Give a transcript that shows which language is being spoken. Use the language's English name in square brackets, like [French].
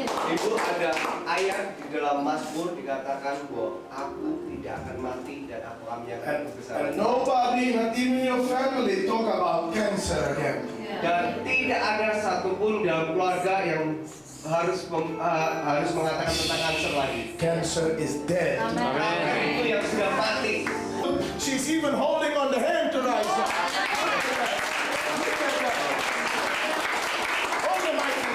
[Indonesian] Ibu, ada ayat di dalam Mazmur dikatakan bahwa aku tidak akan mati dan aku menyatakan kebesaran. [English] And nobody, not even your family, talk about cancer again. [Indonesian] Dan tidak ada satupun dalam keluarga yang harus mengatakan tentang cancer lagi. [English] Cancer is dead. Amen. [Indonesian] Itu yang sudah mati. [English] She's even holding on the hand tonight. Look at that. Hold the mic.